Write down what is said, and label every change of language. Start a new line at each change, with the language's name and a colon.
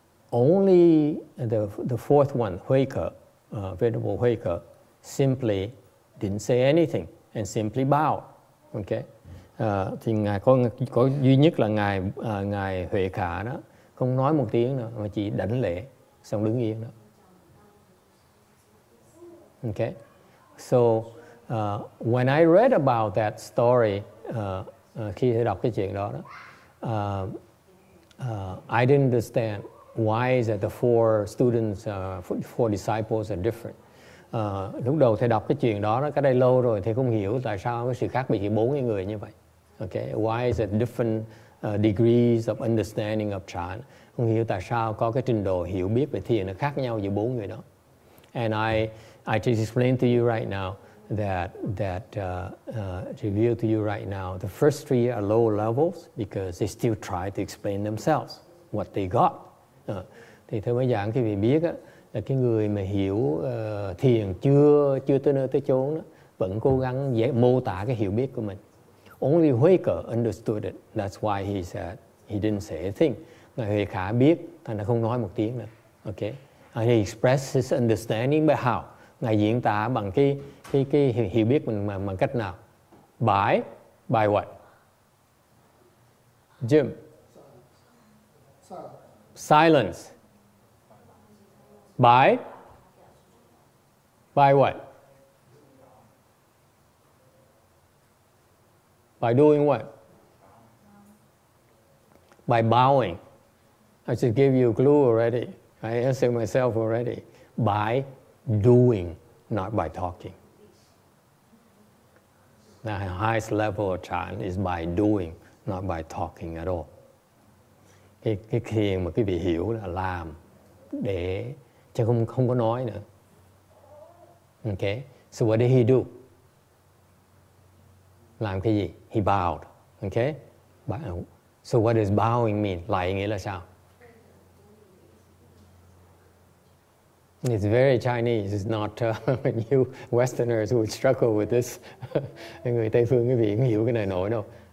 English: Only the fourth one, Huike, Venerable Huike, simply didn't say anything and simply bowed. Okay.
Vietnamese: Thì ngài có duy nhất là ngài Huệ Khả đó không nói một tiếng nữa mà chỉ đảnh lễ xong đứng yên đó. Okay.
English: So when I read about that story,
Vietnamese: khi tôi đọc cái chuyện đó,
English: I didn't understand why is that the four students, four disciples are different.
Vietnamese: Lúc đầu thầy đọc cái chuyện đó, cái đây lâu rồi, thầy không hiểu tại sao cái sự khác biệt giữa bốn người như vậy. Okay.
English: Why is it different degrees of understanding of Chan?
Vietnamese: Không hiểu tại sao có cái trình độ hiểu biết về thiền nó khác nhau giữa bốn người đó.
English: And I just explained to you right now that reveal to you right now the first three are lower levels because they still try to explain themselves what they got.
Vietnamese: Thì thưa mấy giảng quý vị biết á, là cái người mà hiểu thiền chưa tới nơi tới chốn đó vẫn cố gắng mô tả cái hiểu biết của mình.
English: Only Huike understood it. That's why he said he didn't say a thing.
Vietnamese: Ngài Huệ Khả biết, thành ra không nói một tiếng nữa. Okay.
English: And he expressed his understanding by how.
Vietnamese: Ngài diễn tả bằng cái hiểu biết mình bằng cách nào?
English: By what? Jim. Silence. By what? By doing what? By bowing. I just gave you a clue already. I answered myself already. By doing, not by talking. The highest level of Chan is by doing, not by talking at all.
Vietnamese: Cái thiền mà quý vị hiểu là làm để chứ không có nói nữa.
English: Okay. So what did he do?
Vietnamese: Làm cái gì?
English: He bowed. Okay. Bow. So what does bowing mean?
Vietnamese: Lại nghĩa là sao?
English: It's very Chinese. It's not you Westerners who would struggle with this.
Vietnamese: Người Tây Phương quý vị không hiểu cái này nổi đâu.